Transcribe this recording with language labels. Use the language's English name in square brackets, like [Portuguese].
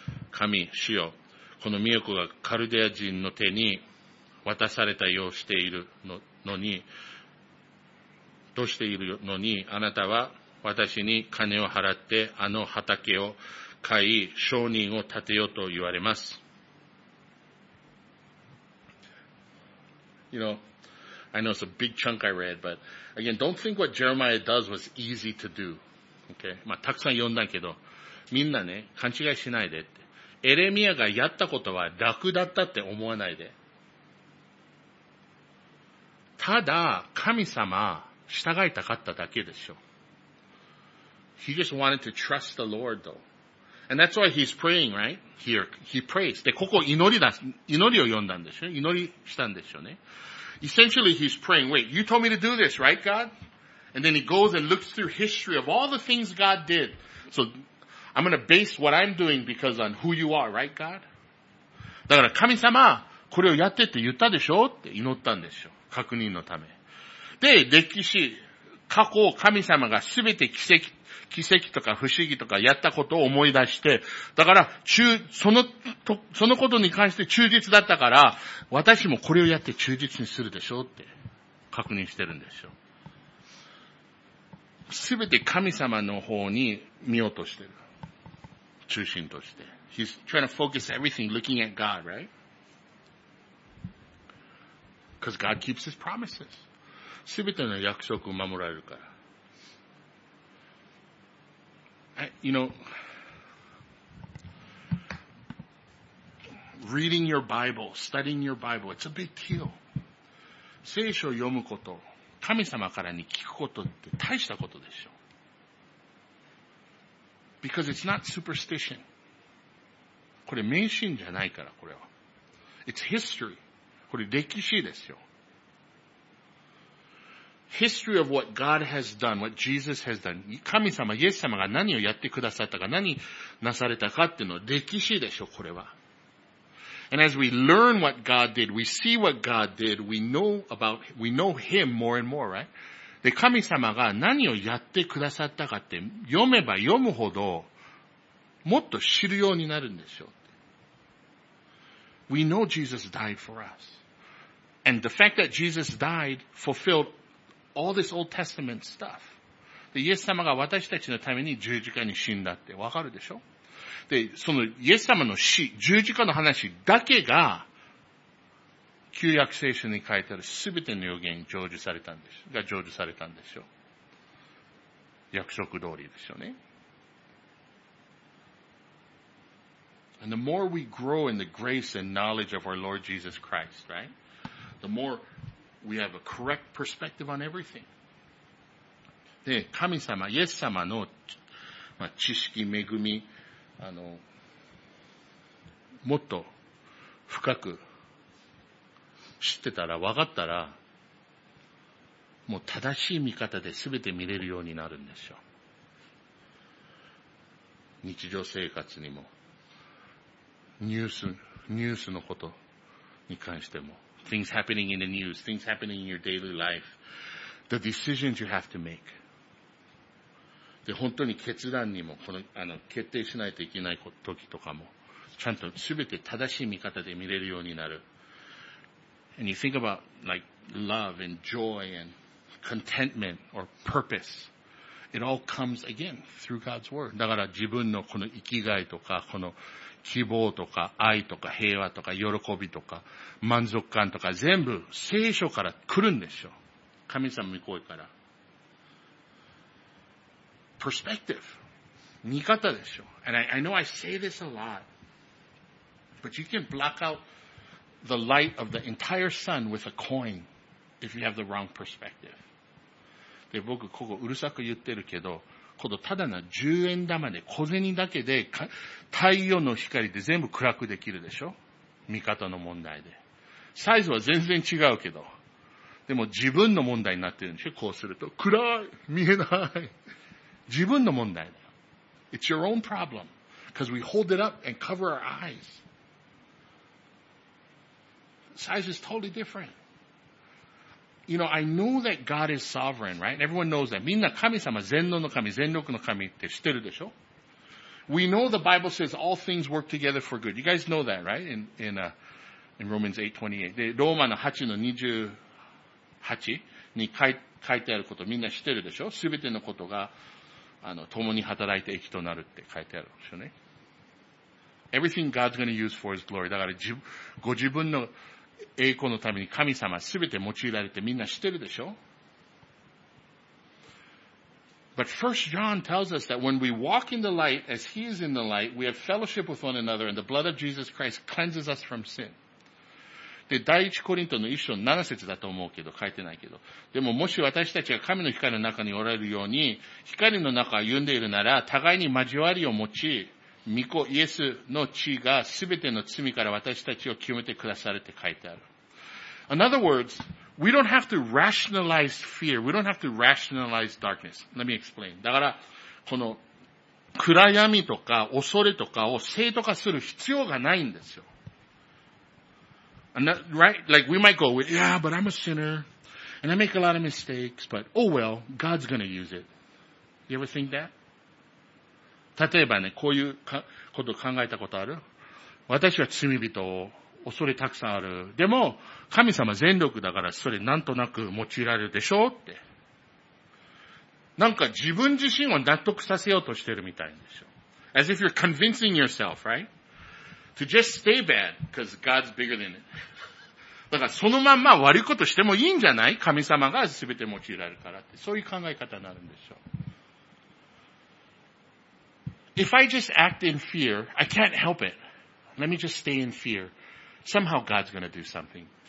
[Japanese] 神、主よ、この都がカルデア人の手に渡されたようしているのに、としているのに、あなたは私に金を払ってあの畑を買い、商人を立てようと言われます。 [English] You know,I know it's a big chunk I read, but again, don't think what Jeremiah does was easy to do. Okay? [Japanese] まあ、たくさん読んだけど、みんなね、勘違いしないでって。エレミアがやったことは楽だったって思わないで。ただ、神様、従いたかっただけでしょ。 [English] He just wanted to trust the Lord though. And that's why he's praying, right? Here, he prays. [Japanese] で、ここ祈りを読んだんでしょ？祈りしたんでしょうね。 [English] Essentially, he's praying, wait, you told me to do this, right, God? And then he goes and looks through history of all the things God did. So, I'm gonna base what I'm doing because on who you are, right, God? [Japanese] だから神様、これをやってって言ったでしょって祈ったんですよ。確認のため。で、歴史、過去を神様がすべて奇跡とか不思議とかやったことを思い出して、だから、そのことに関して忠実だったから、私もこれをやって忠実にするでしょって確認してるんですよ。すべて神様の方に見ようとしてる。中心として。 [English] He's trying to focus everything looking at God, right? Because God keeps his promises. [Japanese] すべての約束を守られるから。 [English] You know, reading your Bible, studying your Bible, it's a big deal. [Japanese] 聖書を読むこと、神様からに聞くことって大したことでしょ。 [English] Because it's not superstition. [Japanese] これ迷信じゃないから、これは。 [English] It's history. [Japanese] これ歴史ですよ。 [English] History of what God has done, what Jesus has done. [Japanese] 神様、イエス様が何をやってくださったか、何なされたかっていうのは歴史でしょ、これは。 [English] And as we learn what God did, we see what God did, we know Him more and more, right? [Japanese] で、神様が何をやってくださったかって読めば読むほど、もっと知るようになるんでしょう。 [English] We know Jesus died for us. And the fact that Jesus died fulfilled all this Old Testament stuff. [Japanese] で、イエス様が私たちのために十字架に死んだってわかるでしょ？で、そのイエス様の死、十字架の話だけが、旧約聖書に書いてあるすべての予言が成就されたんですよ。約束通りですよね。 [English] And the more we grow in the grace and knowledge of our Lord Jesus Christ, right? The more we have a correct perspective on everything. [Japanese] で、神様、イエス様の、まあ、知識、恵み、もっと深く知ってたら、分かったら、もう正しい見方で全て見れるようになるんですよ。日常生活にも、ニュースのことに関しても、 [English] things happening in the news, things happening in your daily life, the decisions you have to make. [Japanese] で、本当に決断にも、決定しないといけない時とかも、ちゃんと全て正しい見方で見れるようになる。 [English] And you think about like love and joy and contentment or purpose. It all comes again through God's word. [Japanese] だから自分のこの生きがいとか、この希望とか愛とか平和とか喜びとか満足感とか全部聖書から来るんでしょ。神様の声から。 Perspective. 見方でしょ。 [English] And I know I say this a lot. But you can block out the light of the entire sun with a coin if you have the wrong perspective. [Japanese] で、僕ここうるさく言ってるけど、このただの10円玉で小銭だけで太陽の光で全部暗くできるでしょ？見方の問題で。サイズは全然違うけど。でも自分の問題になってるんでしょ？こうすると。暗い！見えない！自分の問題だよ。 [English] It's your own problem. Because we hold it up and cover our eyes. Size is totally different. You know, I know that God is sovereign, right? Everyone knows that. [Japanese] みんな神様、全能の神、全力の神って知ってるでしょ? [English] We know the Bible says all things work together for good. You guys know that, right? In Romans 8:28. [Japanese] ローマの8の28に書いてあることみんな知ってるでしょ? すべてのことが、共に働いて益となるって書いてあるでしょね。 [English] Everything God's going to use for His glory. [Japanese] だから、ご自分の栄光のために神様すべて用いられてみんな知ってるでしょ? [English] But 1 John tells us that when we walk in the light as He is in the light, we have fellowship with one another and the blood of Jesus Christ cleanses us from sin. [Japanese] で、第一コリントの一章7節だと思うけど、書いてないけど。でももし私たちが神の光の中におられるように、光の中を歩んでいるなら、互いに交わりを持ち、御子イエスの血がすべての罪から私たちを清めてくださるって書いてある。 [English] In other words, we don't have to rationalize fear. We don't have to rationalize darkness. Let me explain. [Japanese] だから、この暗闇とか恐れとかを正当化する必要がないんですよ。 [English] Not, right? Like we might go, with, yeah, but I'm a sinner and I make a lot of mistakes, but oh well, God's gonna use it. You ever think that? [Japanese] 例えばね、こういうことを考えたことある？私は罪人を恐れたくさんある。でも、神様全力だからそれなんとなく用いられるでしょうって。なんか自分自身を納得させようとしてるみたいんですよ。 [English] As if you're convincing yourself, right? To just stay bad, because God's bigger than it. [Japanese] だからそのまんま悪いことしてもいいんじゃない？神様が全て用いられるからって。そういう考え方になるんでしょう。 [English] If I just act in fear, I can't help it. Let me just stay in fear. Somehow God's gonna do something.